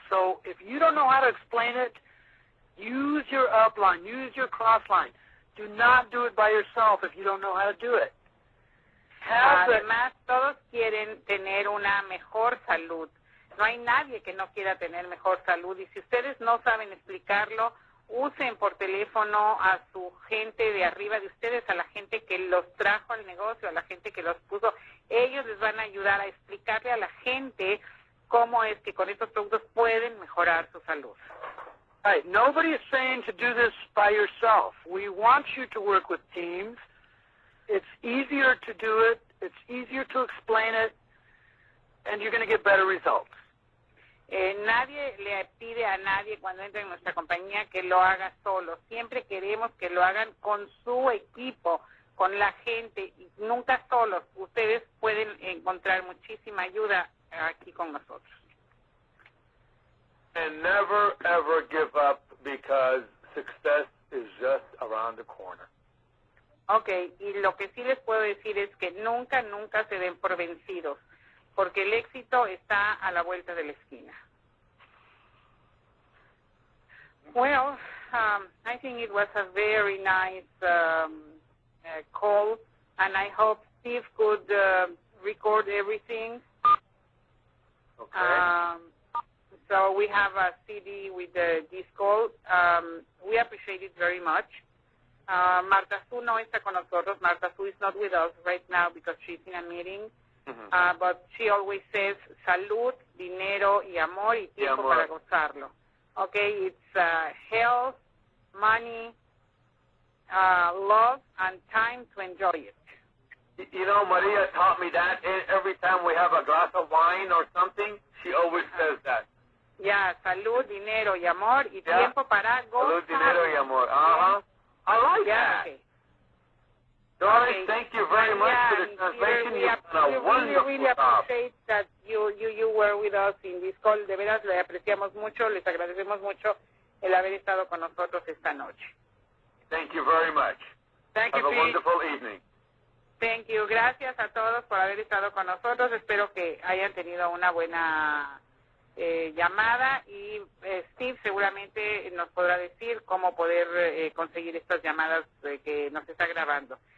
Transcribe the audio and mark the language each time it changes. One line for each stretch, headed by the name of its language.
English: So if you don't know how to explain it, use your upline, use your crossline. Do not do it by yourself if you don't know how to do it.
Spanish: Además, todos quieren tener una mejor salud. No hay nadie que no quiera tener mejor salud. Y si ustedes no saben explicarlo, usen por teléfono a su gente de arriba de ustedes, a la gente que los trajo al negocio, a la gente que los puso. Ellos les van a ayudar a explicarle a la gente cómo es que con estos productos pueden mejorar su salud.
English: Hey, nobody is saying to do this by yourself. We want you to work with teams. It's easier to do it. It's easier to explain it. And you're going to get better results.
Spanish: Nadie le pide a nadie cuando entra en nuestra compañía que lo haga solo. Siempre queremos que lo hagan con su equipo, con la gente. Nunca solos. Ustedes pueden encontrar muchísima ayuda aquí con nosotros.
English: And never, ever give up because success is just around the corner.
Spanish: Okay, y lo que sí les puedo decir es que nunca, nunca se den por vencidos, porque el éxito está a la vuelta de la esquina.
English: Well, I think it was a very nice call, and I hope Steve could record everything. Okay. So we have a CD with this call. We appreciate it very much. Marta Su
Spanish: no está con nosotros.
English: Marta Su is not with us right now because she's in a meeting. Mm-hmm. But she always says,
Spanish: salud, dinero y amor y tiempo amor. Para gozarlo.
English: Okay, it's health, money, love, and time to enjoy it. You know, Maria taught me that every time we have a glass of wine or something, she always says that.
Spanish: Yeah, salud, dinero y amor y tiempo para gozar. Salud, dinero y amor, uh-huh.
English: I like that. Okay. Thank you very much for the translation. You've done a wonderful job. We really appreciate that you were with us in this call.
Spanish: De veras, le apreciamos mucho, les agradecemos mucho el haber estado con nosotros esta noche.
English: Thank you very much. Thank Have you, a Pete. Wonderful evening. Thank you.
Spanish: Gracias a todos por haber estado con nosotros. Espero que hayan tenido una buena llamada y Steve seguramente nos podrá decir cómo poder conseguir estas llamadas que nos está grabando.